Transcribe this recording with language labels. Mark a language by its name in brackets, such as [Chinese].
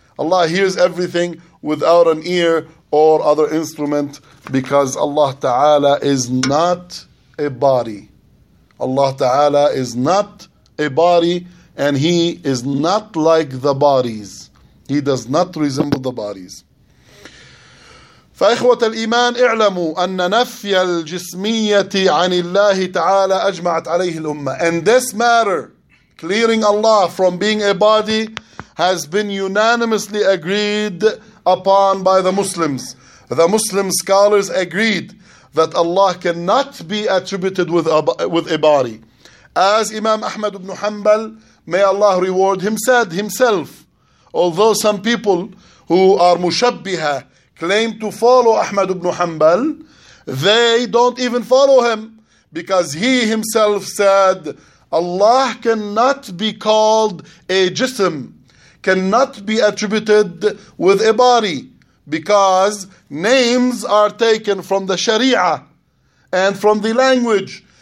[English] Allah hears everything without an ear or other instrument, because Allah Ta'ala is not a body. Allah Ta'ala is not a body, and he is not like the bodies. He does not resemble the bodies. [Arabic] فإخوة الإيمان اعلموا أن نفي الجسمية عن الله تعالى أجمعت عليه الأمة. [English] And this matter, clearing Allah from being a body, has been unanimously agreed upon by the Muslims. The Muslim scholars agreed that Allah cannot be attributed with a body. As Imam Ahmad ibn Hanbal, may Allah reward him, said himself, although some people who are mushabbiha claim to follow Ahmad ibn Hanbal, they don't even follow him, because he himself said, Allah cannot be called a jism, cannot be attributed with a body, because names are taken from the Sharia and from the language.